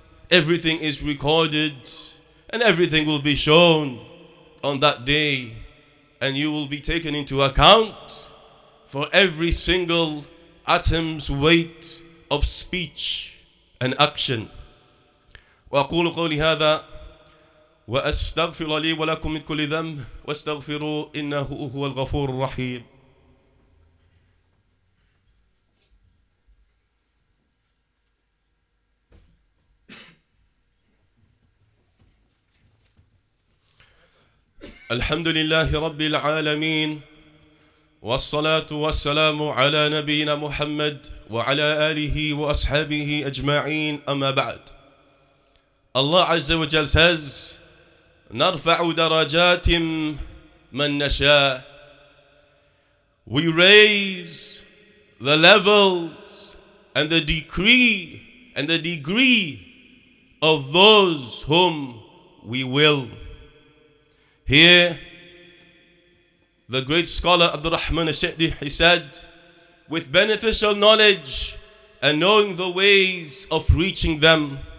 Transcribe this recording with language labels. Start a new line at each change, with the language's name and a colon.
English: Everything is recorded and everything will be shown on that day, and you will be taken into account for every single atom's weight of speech and action.
Arabic: وأقول قولي هذا وأستغفر لي ولكم من كل ذنب واستغفروا إنه هو الغفور الرحيم. الحمد لله رب العالمين والصلاة والسلام على نبينا محمد وعلى آله وأصحابه أجمعين. أما بعد, الله عز وجل
English: says,
Arabic: نرفع درجات من نشاء.
English: We raise the levels and the decree and the degree of those whom we will. Here, the great scholar Abdul Rahman al-Shaydi, he said, with beneficial knowledge and knowing the ways of reaching them.